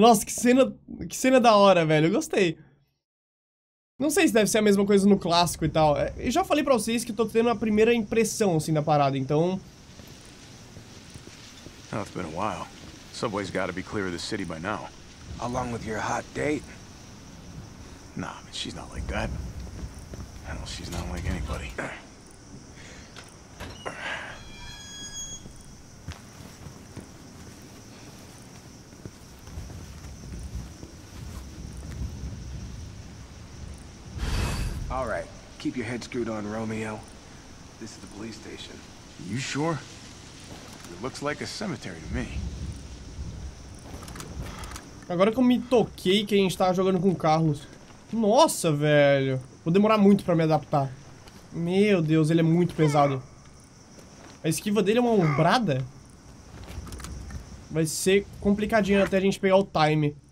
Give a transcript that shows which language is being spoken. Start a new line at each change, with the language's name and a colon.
Portuguese: Nossa, que cena da hora, velho. Eu gostei. Não sei se deve ser a mesma coisa no clássico e tal. Eu já falei pra vocês que eu tô tendo a primeira impressão, assim, da parada, então...
English: Oh, it's been a while. Subway's gotta be clear of the city by now. Along with your hot date? Nah, but she's not like that. Hell, she's not like anybody. All right, keep your head screwed on, Romeo. This is the police station. You sure? It looks like a cemetery to me.
Portuguese: Agora que eu me toquei que a gente tava jogando com o Carlos. Nossa, velho. Vou demorar muito pra me adaptar. Meu Deus, ele é muito pesado. A esquiva dele é uma umbrada? Vai ser complicadinho até a gente pegar o time.